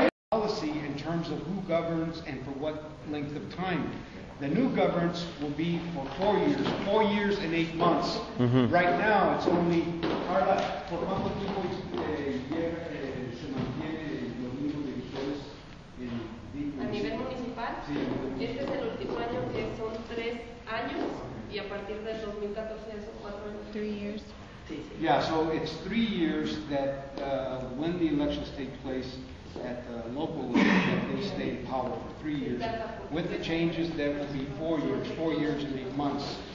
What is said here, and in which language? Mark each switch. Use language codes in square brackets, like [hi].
[en] Policy in terms of who governs and for what length of time. The new governance will be for 4 years, 4 years and 8 months. Mm-hmm. Right now, it's only for [es] cuánto tiempo se mantiene los mismos directores en a nivel municipal. Sí. Este es el último año que son 3 años, y a partir del 2014 son 4 años. [en] 3 years. Yeah, so it's 3 years that when the elections take place at the local level, they stay in power for 3 years. With the changes, there will be 4 years, 4 years and 8 months.